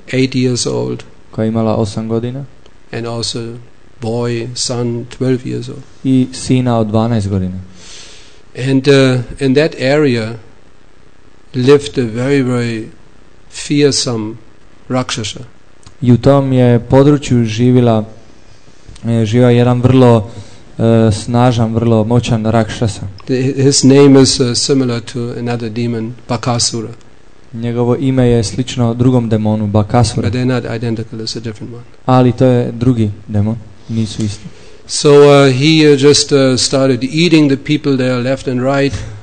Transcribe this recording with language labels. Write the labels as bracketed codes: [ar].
[en] 8 years old. [hr] Koja je imala 8 godina. [en] And also boy, son, 12 years old. [hr] I sina od 12 godina. [en] And in that area lived a very, very fearsome rakshasa. [hr] I u tom je području živio jedan vrlo snažan, vrlo moćan rakshasa. [en] His name is similar to another demon, Bakasura. [hr] Njegovo ime je slično drugom demonu, Bakasura. [en] But they're not identical, it's a different one. [hr] Ali to je drugi demon, nisu isti. [en] So he just started eating the people there left and right.